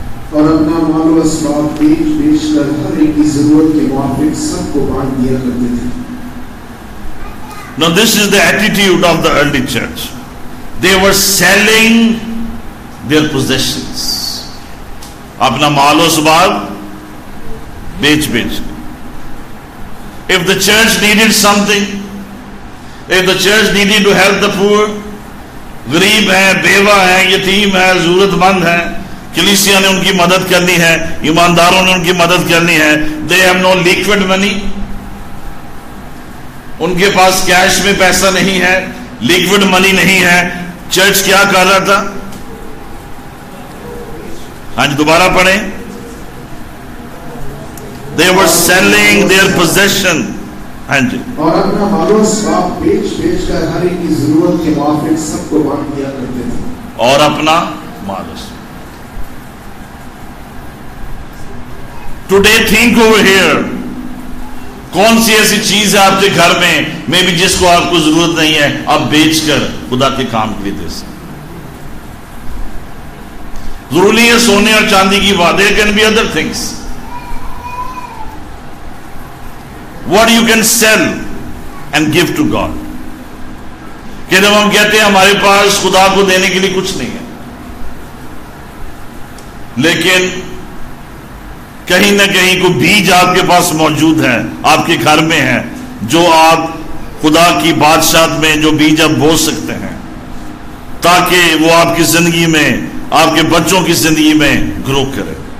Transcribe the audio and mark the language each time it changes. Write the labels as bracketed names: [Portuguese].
[Urdu] اور اپنا مال و اسباب بیچ بیچ کر ہر ایک کی ضرورت کے موافق سب کو بانٹ دیا کرتے تھے. [English] نا this is the attitude of the early church. They were selling their positions. [Urdu] اپنا مال و اسباب بیچ بیچ. [English] If the church needed something, if the church needed to help the poor, [Urdu] غریب ہیں, بیوہ ہیں, یتیم ہیں, ضرورت مند ہیں, کلیسیا نے ان کی مدد کرنی ہے, ایمانداروں نے ان کی مدد کرنی ہے, [English] they have no liquid money, [Urdu] ان کے پاس کیش میں پیسہ نہیں ہے, liquid money نہیں ہے, چرچ کیا کر رہا تھا؟ ہاں جی دوبارہ پڑھیں. [English] They were selling their possession. [Urdu] ہاں جی. اور اپنا مال و اسباب بیچ بیچ کر ہر ایک کی ضرورت کے موافق سب کو بانٹ دیا کرتے تھے. اور اپنا مال و اسباب. [English] Today think over here. [Urdu] کون سی ایسی چیز ہے آپ کے گھر میں مے بی جس کو آپ کو ضرورت نہیں ہے, آپ بیچ کر خدا کے کام کے لیے دے سکتے. ضروری ہے سونے اور چاندی کی بات, [English] there can be other things. What you can sell and give to God. [Urdu] کہ جب ہم کہتے ہیں ہمارے پاس خدا کو دینے کے لیے کچھ نہیں ہے, لیکن کہیں نہ کہیں کوئی بیج آپ کے پاس موجود ہے, آپ کے گھر میں ہے, جو آپ خدا کی بادشاہت میں جو بیج آپ بو سکتے ہیں تاکہ وہ آپ کی زندگی میں, آپ کے بچوں کی زندگی میں گرو کرے.